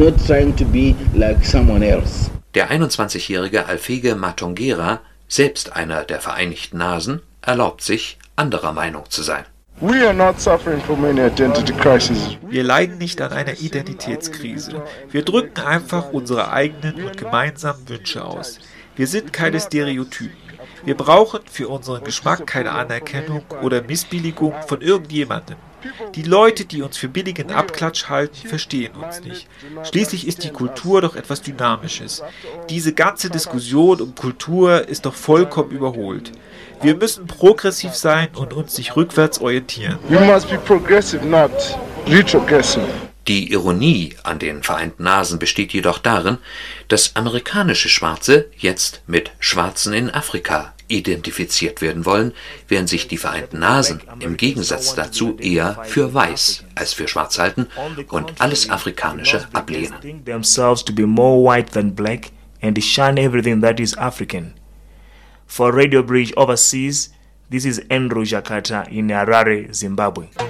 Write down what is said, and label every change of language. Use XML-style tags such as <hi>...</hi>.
<de>Der 21-jährige Alfege Matongera, selbst einer der Vereinigten Nasen, erlaubt sich, anderer Meinung zu sein.</de> <en>We are not suffering from any identity crisis.</en> <de>Wir leiden nicht an einer Identitätskrise. Wir drücken einfach unsere eigenen und gemeinsamen Wünsche aus. Wir sind keine Stereotypen. Wir brauchen für unseren Geschmack keine Anerkennung oder Missbilligung von irgendjemandem. Die Leute, die uns für billigen Abklatsch halten, verstehen uns nicht. Schließlich ist die Kultur doch etwas Dynamisches. Diese ganze Diskussion um Kultur ist doch vollkommen überholt. Wir müssen progressiv sein und uns nicht rückwärts orientieren.</de> <en>You must be progressive, not retrogressive.</en> <de>Die Ironie an den Vereinten Nasen besteht jedoch darin, dass amerikanische Schwarze jetzt mit Schwarzen in Afrika identifiziert werden wollen, während sich die Vereinten Nasen im Gegensatz dazu eher für weiß als für schwarz halten und alles Afrikanische ablehnen.</de> <en>They think themselves to be more white than black and shun everything that is African. For Radio Bridge Overseas, this is Andrew Jakata in Harare, Zimbabwe.</en>